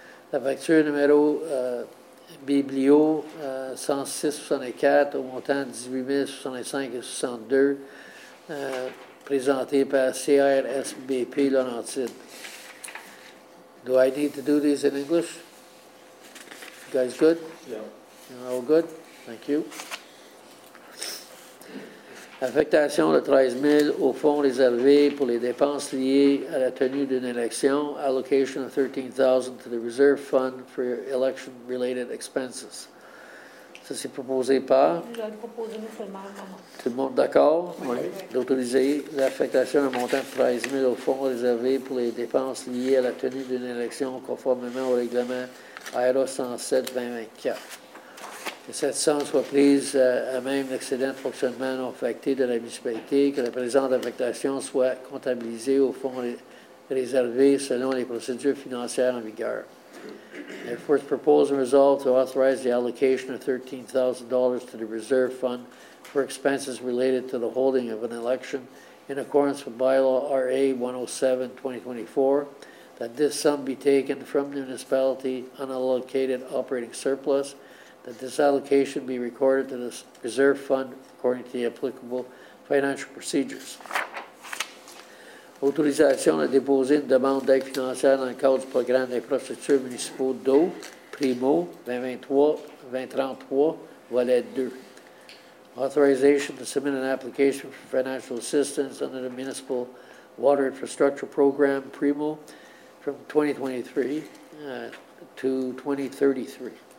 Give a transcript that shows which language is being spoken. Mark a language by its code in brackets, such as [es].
[fr] La facture numéro Biblio 106-64 au montant 18 065,62 présenté par CRSBP Laurentide. [en] Do I need to do these in English? You guys good? Yeah. All good? Thank you. [fr] Affectation de 13 000 au fonds réservé pour les dépenses liées à la tenue d'une élection. [en] Allocation of 13,000 to the reserve fund for election-related expenses. [fr] Ça, c'est proposé par? Je vais le proposer, M. le maire. Tout le monde d'accord? Oui. D'autoriser l'affectation d'un montant de 13 000 au fonds réservé pour les dépenses liées à la tenue d'une élection conformément au règlement AERA 107-2024. Que cette somme soit prise à même l'excédent de fonctionnement non affecté de la municipalité, que la présente affectation soit comptabilisée au fonds réservé selon les procédures financières en vigueur. [en] Therefore, it's proposed and resolved to authorize the allocation of $13,000 to the reserve fund for expenses related to the holding of an election in accordance with bylaw RA 107-2024, that this sum be taken from the municipality unallocated operating surplus, that this allocation be recorded to the reserve fund according to the applicable financial procedures. [fr] Autorisation de déposer une demande d'aide financière dans le cadre du programme d'infrastructures municipaux d'eau, Primo 2023, volet 2. [en] Authorization to submit an application for financial assistance under the Municipal Water Infrastructure Program, Primo, from 2023 to 2033.